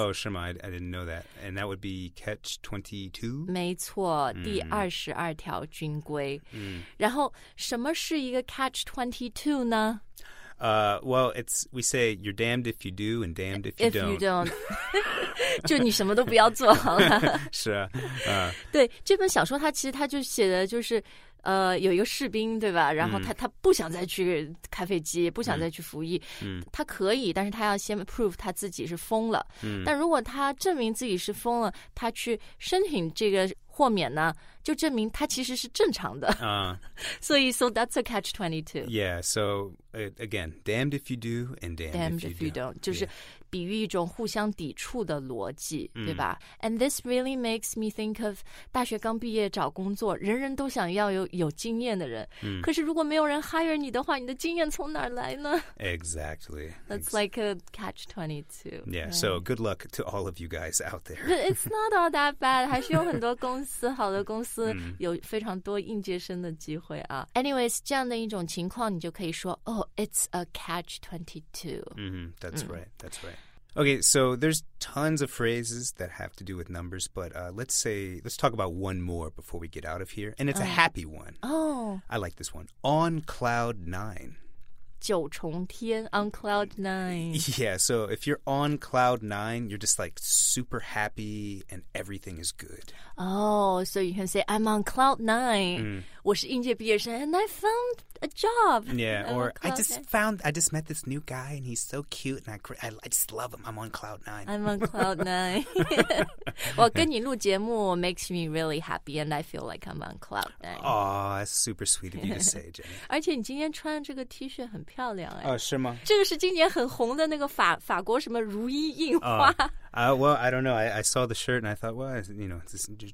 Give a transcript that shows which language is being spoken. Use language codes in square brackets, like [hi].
[zh] 是吗 [en] I didn't know that and that would be Catch 22 [zh] 没错第22条军规然后什么是一个 Catch 22 呢 [en] well, it's we say you're damned if you do and damned if you don't. If you don't, [zh] 就你什么都不要做好了。是啊，对这本小说，它就写的就是，有一个士兵，对吧？然后他不想再去开飞机，不想再去服役。他可以，但是他要先 prove 他自己是疯了。但如果他证明自己是疯了，他去申请这个豁免呢？就证明他其实是正常的。 [en] So that's a catch 22. Yeah, so again, damned if you do and damned if you don't. [zh] 就是比喻一种互相抵触的逻辑对吧 [en] And this really makes me think of [zh] 大学刚毕业找工作人人都想要有经验的人可是如果没有人 hire 你的话你的经验从哪儿来呢 [en] Exactly. That's like a catch 22. Yeah, right? so good luck to all of you guys out there. But it's not all that bad. [zh] 还是有很多公司好的公司有非常多应届生的机会啊。 [en] Anyways, [zh] 这样的一种情况你就可以说 [en] it's a catch 22. That's right. Okay, so there's tons of phrases that have to do with numbers, but let's talk about one more before we get out of here. And it's a happy one. Oh. I like this one. On cloud 9. [zh] 九重天 [en] on cloud 9. Yeah, so if you're on cloud 9, you're just like super happy and everything is good. Oh, so you can say, I'm on cloud 9. [zh] 我是应届毕业生 [en] and I found a job. Yeah, or I just met this new guy and he's so cute and I just love him. I'm on cloud 9. I'm on cloud 9. well, [zh] 跟你录节目 [en] makes me really happy and I feel like I'm on cloud 9. Oh, that's super sweet of you to say, Jenny. [zh] 而且你今天穿这个 T 恤很漂亮是吗这个是今年很红的那个法国什么如意印花、 [en] Well, I don't know. I saw the shirt and I thought, well, you know, this is a good thing.